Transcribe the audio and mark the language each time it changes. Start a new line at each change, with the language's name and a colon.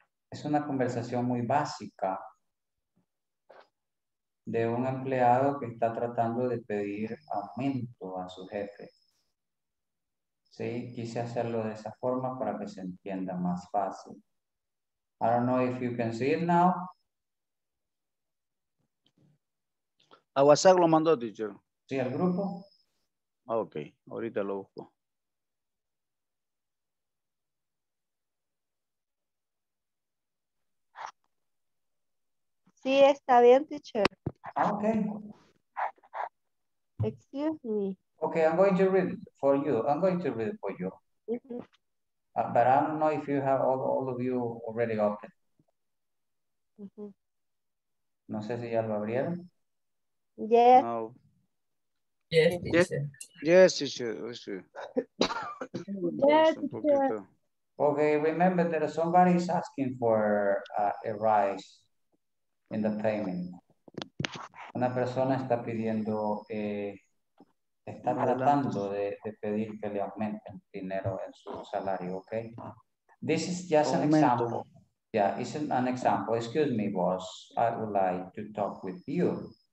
Spanish: Es una conversación muy básica de un empleado que está tratando de pedir aumento a su jefe. Sí, quise hacerlo de esa forma para que se entienda más fácil.
English: I don't know if you can see it now.
Spanish: A WhatsApp lo mandó, teacher. Sí, al grupo. Okay, ahorita lo busco. Sí, está bien, teacher.
English: Okay. Excuse me. Okay, I'm going to read it for you. I'm going to read it for you. Mm-hmm. But I don't know if you have all of you already opened.
Spanish: Mm-hmm. No sé si ya lo abrieron.
English: Yes. No. Yes, teacher. Yes, teacher. Yes, teacher. Yes, teacher. Okay, remember that somebody is asking for a rise. In the payment.
Spanish: Una persona está pidiendo, está tratando de pedir que le aumenten dinero en su salario, okay?
English: This is just an example. Yeah, it's an example. Excuse me, boss. I would like to talk with you.